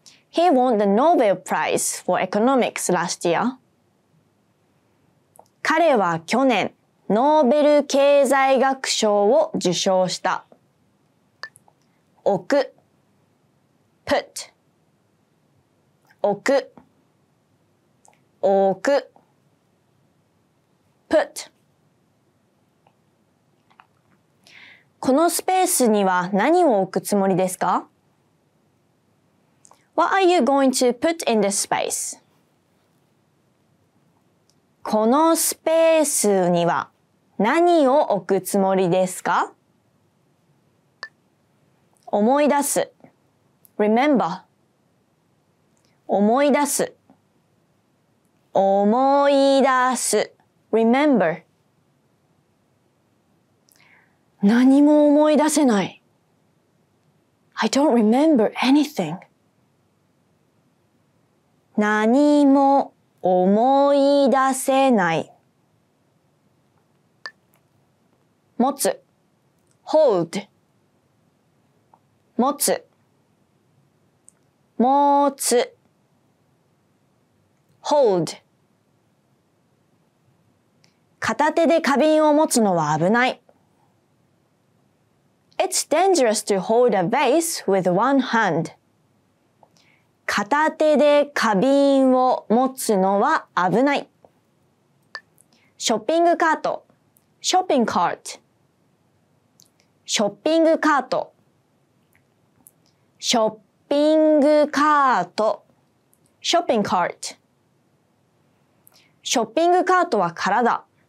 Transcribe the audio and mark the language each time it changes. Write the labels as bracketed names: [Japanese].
[English] He won the Nobel Prize for Economics last year. [Japanese] 彼は去年ノーベル経済学賞を受賞した。置く put 置く置く put このスペースには何を置くつもりですか? [English] What are you going to put in this space? [Japanese] このスペースには何を置くつもりですか? 思い出す Remember 思い出す思い出す Remember 何も思い出せない。 [English] I don't remember anything. [Japanese] 何も思い出せない。持つ hold 持つ持つ hold 片手で花瓶を持つのは危ない。 [English] It's dangerous to hold a vase with one hand. [Japanese] 片手で花瓶を持つのは危ない。ショッピングカート Shopping cart ショッピングカートショッピングカート Shopping cart ショッピングカートは空だ。